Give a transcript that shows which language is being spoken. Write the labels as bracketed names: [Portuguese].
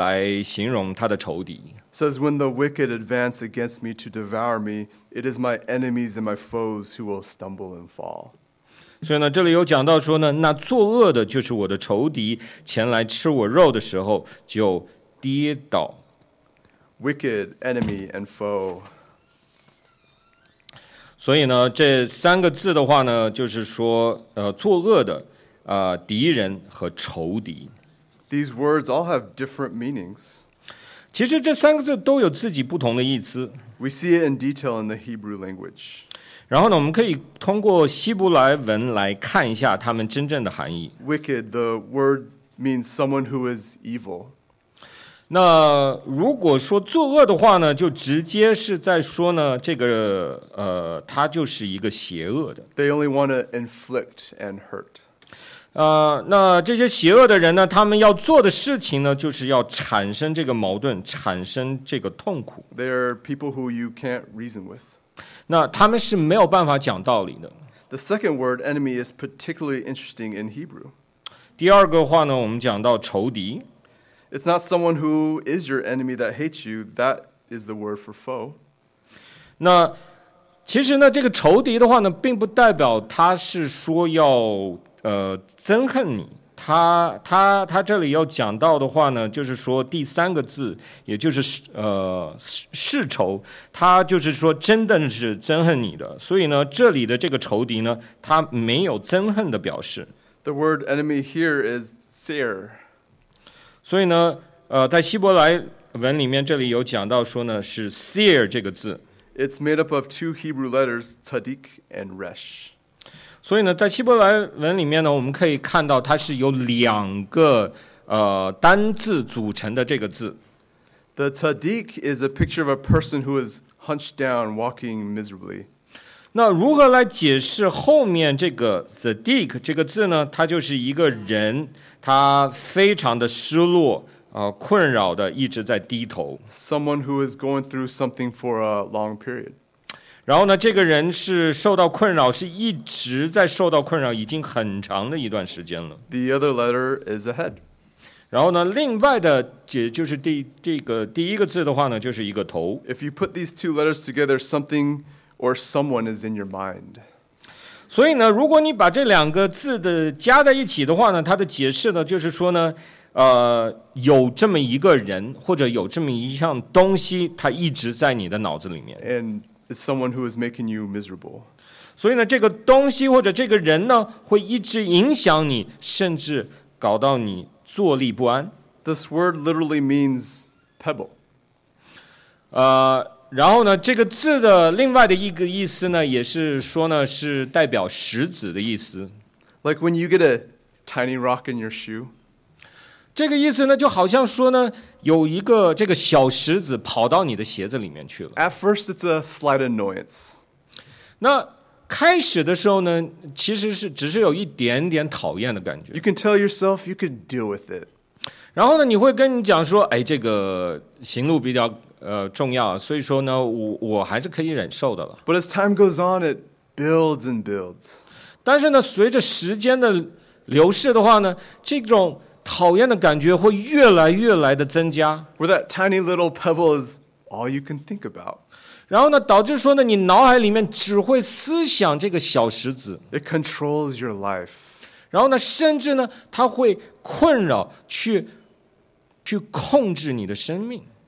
[Chinese] 所以呢，在诗篇27:2节，大卫呢用了三句话来形容他的仇敌。 [English] Says when the wicked advance against me to devour me, it is my enemies and my foes who will stumble and fall. [Chinese] 所以呢，这里有讲到说呢，那作恶的就是我的仇敌，前来吃我肉的时候就跌倒。 [English] Wicked enemy and foe. [Chinese] 所以呢，这三个字的话呢，就是说，作恶的，敌人和仇敌。 [English] These words all have different meanings. [Chinese] 其实这三个字都有自己不同的意思。 [English] We see it in detail in the Hebrew language. [Chinese] 然后呢，我们可以通过希伯来文来看一下它们真正的含义。 [English] Wicked, the word means someone who is evil. [Chinese] 那如果说作恶的话呢，就直接是在说呢，这个他就是一个邪恶的。 [English] They only want to inflict and hurt. [Chinese] 那这些邪恶的人呢，他们要做的事情呢，就是要产生这个矛盾，产生这个痛苦。 [English] They are people who you can't reason with. [Chinese] 那他们是没有办法讲道理的。 [English] The second word, enemy, is particularly interesting in Hebrew. [Chinese] 第二个话呢，我们讲到仇敌。 [English] It's not someone who is your enemy that hates you. That is the word for foe. [Chinese] 那其实呢，这个仇敌的话呢，并不代表他是说要憎恨你，他这里要讲到的话呢，就是说第三个字，也就是世仇，他就是说真的是憎恨你的。所以呢，这里的这个仇敌呢，他没有憎恨的表示。 [English] The word enemy here is seer. [Chinese] 所以呢，在希伯来文里面，这里有讲到说呢，是 seer 这个字。 [English] It's made up of two Hebrew letters, tzadik and resh. [Chinese] 所以呢，在希伯来文里面呢，我们可以看到它是由两个单字组成的这个字。 [English] The tzaddik is a picture of a person who is hunched down, walking miserably. [Chinese] 那如何来解释后面这个 tzaddik 这个字呢？它就是一个人，他非常的失落，困扰的，一直在低头。 [English] Someone who is going through something for a long period. [Chinese] 然后呢，这个人是受到困扰，是一直在受到困扰，已经很长的一段时间了。 [English] The other letter is ahead. [Chinese] 然后呢，另外的就是第一个字的话呢，就是一个头。 [English] If you put these two letters together, something or someone is in your mind. [Chinese] 所以呢，如果你把这两个字的加在一起的话呢，它的解释呢，就是说呢，有这么一个人或者有这么一项东西，它一直在你的脑子里面。 [English] And It's someone who is making you miserable. [Chinese] 所以呢，这个东西或者这个人呢，会一直影响你，甚至搞到你坐立不安。 [English] This word literally means pebble. [Chinese] 然后呢，这个字的另外的一个意思呢，也是说呢，是代表石子的意思。 [English] Like when you get a tiny rock in your shoe. [Chinese] 这个意思呢，就好像说呢。有一个这个小石子跑到你的鞋子里面去了。 [English] At first, it's a slight annoyance. [Chinese] 那开始的时候呢，其实是只是有一点点讨厌的感觉。 [English] You can tell yourself you can deal with it. [Chinese] 然后呢，你会跟你讲说，哎，这个行路比较重要，所以说呢，我还是可以忍受的了。 [English] But as time goes on, it builds and builds. [Chinese] 但是呢，随着时间的流逝的话呢，这种讨厌的感觉会越来越来的增加。 [English] Where that tiny little pebble is all you can think about. [Chinese] 然后呢，导致说呢，你脑海里面只会思想这个小石子。 [English] It controls your life. [Chinese] 然后呢，甚至呢，它会困扰去控制你的生命。